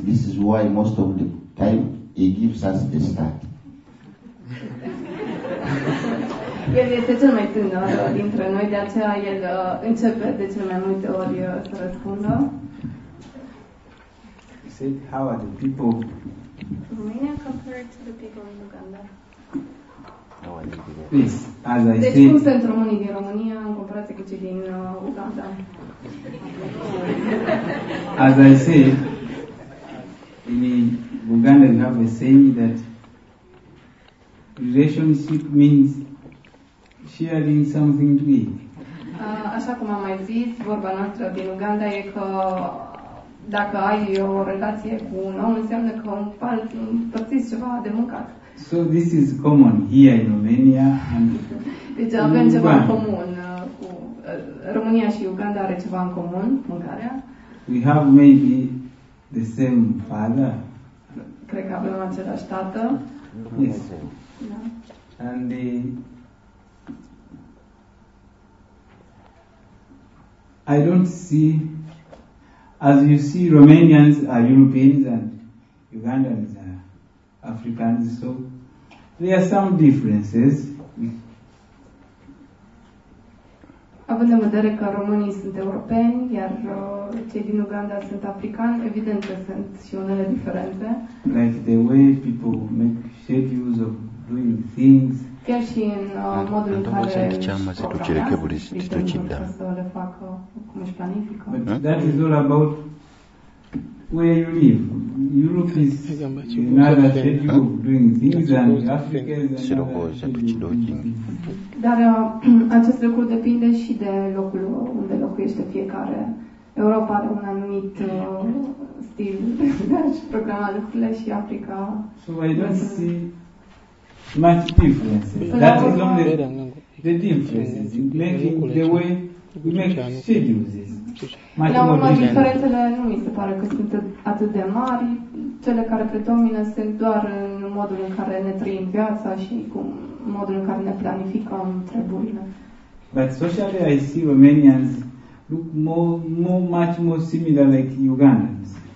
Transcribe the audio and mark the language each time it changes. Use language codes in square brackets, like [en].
[en] This is why most of the time he gives us the start. [ro] El este cel mai tânăr dintre noi, de aceea el începe de cele mai multe ori să răspundă. [en] You said, how are the people Romania compared to the people in Uganda? [ro] Oh, Deci cum sunt românii din România în comparație cu cei din Uganda? [en] As I said, in Uganda we have a saying that relationship means sharing something to eat. [ro] Așa cum am mai zis, vorba noastră din Uganda e că dacă ai o relație cu un om, înseamnă că împărțiți ceva de mâncat. [en] So this is common here in Romania and [ro] deci avem ceva în comun cu România și Uganda are ceva în comun, mâncarea. [en] We have maybe the same father. [ro] Cred că avem același tată. [en] Yes. Da. And the I don't see, as you see, Romanians are Europeans and Ugandans are Africans, so there are some differences. [ro] Având în vedere că românii sunt europeni, iar cei din Uganda sunt africani, evident că sunt și unele diferențe. [en] Like the way people make schedules of doing things. [ro] Chiar și în modul în care își programează, evident că trebuie să le facă cum își planifică. [en] That is all about where you live. Europe is another schedule of doing things and Africa is another. [ro] Dar acest lucru depinde și de locul unde locuiește fiecare. Europa are un anumit stil de a-și programa lucrurile și Africa. [en] So I don't see much difference. That is only the difference in making the way we make schedules. [ro] La urmă, diferențele nu mi se pare că sunt atât de mari. Cele care predomină sunt doar în modul în care ne trăim viața și cu modul în care ne planificăm treburile. [en] But socially I see Romanians look much more similar like Ugandans.